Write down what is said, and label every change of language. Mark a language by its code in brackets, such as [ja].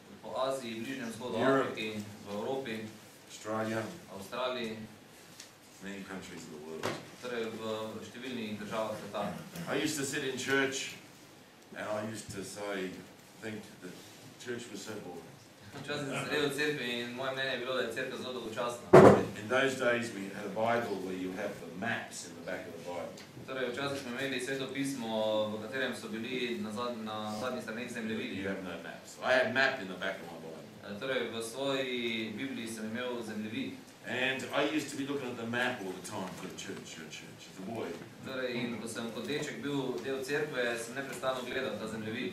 [sl] Po Aziji, Bližnjem vzhodu, Afriki, v Evropi. [en] Australia. [sl] Australiji. [en] Many countries of the world. [sl] Torej v številnih državah sveta. [en] I used to sit in church. And I used to say, think that church was so boring. In those days we had a Bible where you have the maps in the back of the Bible. You have no maps. I had a map in the back of my Bible. And I used to be looking at the map all the time for the church, your church, the boy. [sl] Torej, in ko sem kot deček bil del cerkve, sem neprestano gledal ta zemljevid.